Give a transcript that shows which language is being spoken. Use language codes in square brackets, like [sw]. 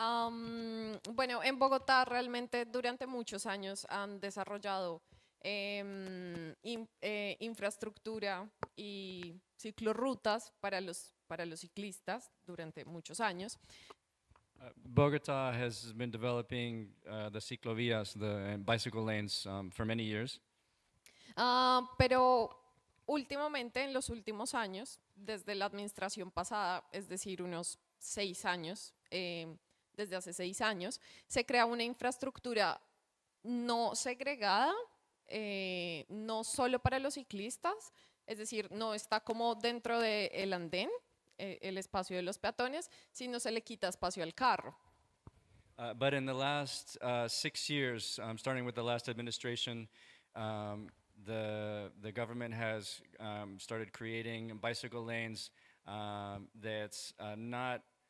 [es] Bueno, en Bogotá realmente durante muchos años han desarrollado infraestructura y ciclorrutas para los ciclistas durante muchos años. [en] Bogotá has been developing the ciclovías, the bicycle lanes, for many years. [es] Pero últimamente, en los últimos años, desde la administración pasada, es decir, unos 6 años, desde hace 6 años, se crea una infraestructura no segregada, no solo para los ciclistas, es decir, no está como dentro del andén, el espacio de los peatones, sino se le quita espacio al carro. [en] But in the last 6 years, starting with the last administration, the government has started creating bicycle lanes that's not...